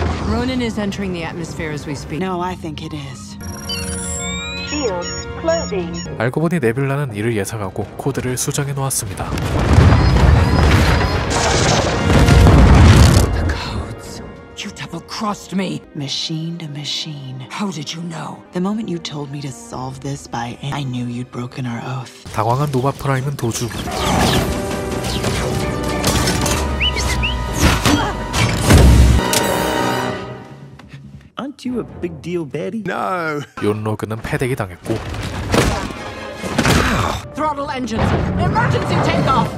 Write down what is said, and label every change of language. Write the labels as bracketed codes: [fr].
[en] Ronan is entering the atmosphere as we speak. No, I think it is. Shield closing. [ko] 알고 보니 네뷸라는 이를 예상하고 코드를 수정해 놓았습니다. [en] The codes. You double-crossed me. Machine to machine. How did you know? The moment you told me to solve this by end, I knew you'd broken our oath. [ko] 당황한 노바 프라임은 도주. [en] Aren't you a big deal, baddie? No. [ko] 욘로그는 패대기 당했고. [en] Throttle engines. Emergency takeoff.